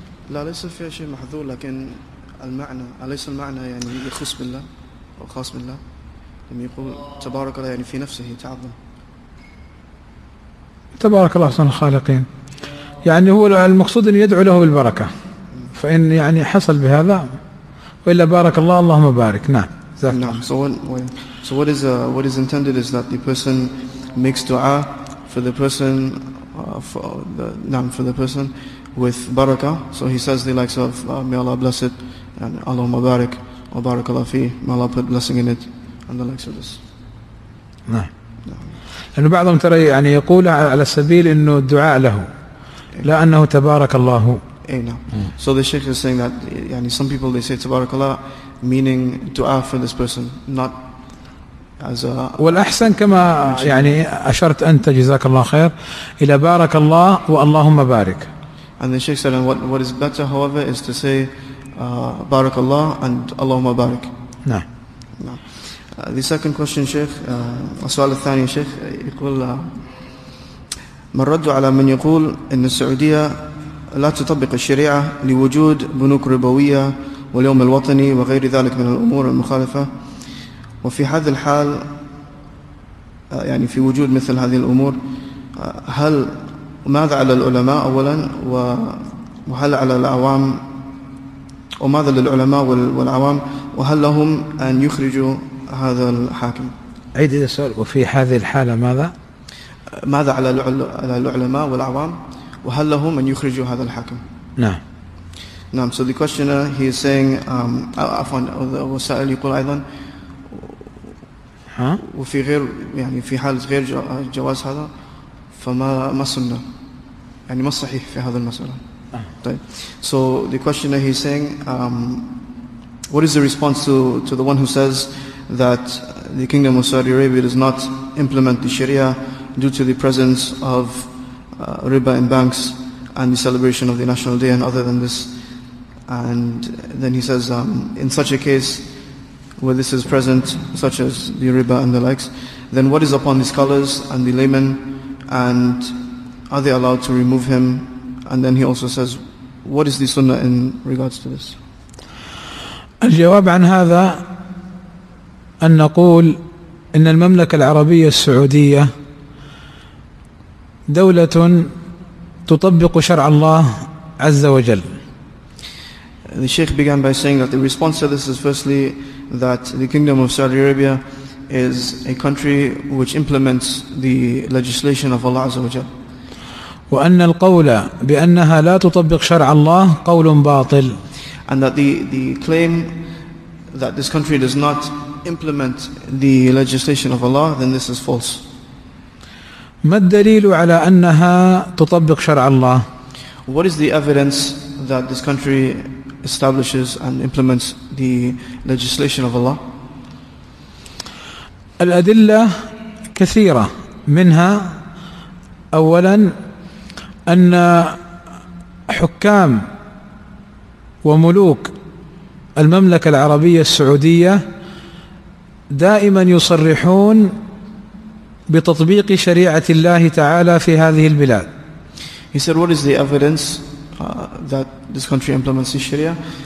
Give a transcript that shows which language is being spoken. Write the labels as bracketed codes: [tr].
[ar] لا ليس فيها شيء محذور لكن المعنى أليس المعنى يعني يخص بالله وخاص بالله لما يقول تبارك الله يعني في نفسه تعظم تبارك الله سبحانه الخالقين يعني هو المقصود أن يدعو له بالبركة فإن يعني حصل بهذا وإلا بارك الله اللهم بارك. نعم زكرا. نعم. [en] So what is intended is that the person makes dua for the person for the person with baraka. So he says the likes of may Allah bless it and [ar] اللهم بارك وبارك الله فيه, [en] may Allah put blessing in it and the likes of this. [ar] نعم. لأنه بعضهم ترى يعني يقول على سبيل أنه الدعاء له لا أنه تبارك الله. [en] Eh, no. So the Sheikh is saying that يعني, some people they say tabarakallah meaning dua for this person, not as a. [ar] والأحسن كما يعني أشرت أنت جزاك الله خير إلى بارك الله واللهم بارك. [en] And the Sheikh said, and what is better, however, is to say [ar] بارك الله [en] and [ar] اللهم بارك. نعم. [en] The second question, Sheikh. [ar] السؤال الثاني, Sheikh. يقول من رد على من يقول إن السعودية لا تطبق الشريعة لوجود بنوك ربوية واليوم الوطني وغير ذلك من الأمور المخالفة, وفي هذا الحال يعني في وجود مثل هذه الأمور, هل ماذا على العلماء أولا, وهل على العوام, وماذا للعلماء والعوام, وهل لهم أن يخرجوا هذا الحاكم؟ عيد السؤال, وفي هذه الحالة ماذا؟ ماذا على العلماء والعوام, وهل لهم أن يخرجوا هذا الحاكم؟ نعم. نعم. [en] So the questioner he is saying, [ar] وسائل يقول أيضا, ها؟ وفي غير يعني في حال غير جواز هذا, فما ما سنة يعني ما صحيح في هذا المسألة. طيب. [en] So the questioner he is saying, what is the response to the one who says that the Kingdom of Saudi Arabia does not implement the Sharia due to the presence of riba in banks and the celebration of the national day and other than this? And then he says, in such a case where this is present, such as the riba and the likes, then what is upon the scholars and the laymen, and are they allowed to remove him? And then he also says, what is the sunnah in regards to this? [ar] الجواب عن هذا أن نقول إن المملكة العربية السعودية دولة تطبق شرع الله عز وجل. [en] The Sheikh began by saying that the response to this is firstly that the Kingdom of Saudi Arabia is a country which implements the legislation of Allah عز وجل. [ar] وأن القول بأنها لا تطبق شرع الله قول باطل. [en] And that the claim that this country does not implement the legislation of Allah, then this is false. [ar] ما الدليل على أنها تطبق شرع الله؟ [en] What is the evidence that this country establishes and implements the legislation of Allah? [ar] الأدلة كثيرة, منها أولا أن حكام وملوك المملكة العربية السعودية دائما يصرحون بتطبيق شريعة الله تعالى في هذه البلاد. [en] He said, what is the evidence that this country implements the Sharia?